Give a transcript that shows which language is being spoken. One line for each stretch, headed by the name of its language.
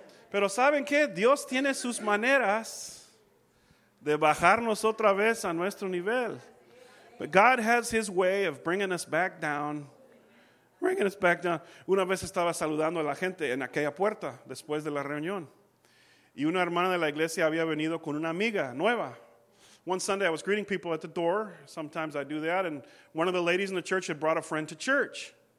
Spanish: Pero ¿saben qué? Dios tiene sus maneras de bajarnos otra vez a nuestro nivel.
English: But God has his way of bringing us back down. Bringing us back down.
Spanish: Una vez estaba saludando a la gente en aquella puerta después de la reunión. Y una hermana de la iglesia había venido con una amiga nueva.
English: One Sunday I was greeting people at the door. Sometimes I do that. And one of the ladies in the church had brought a friend to church.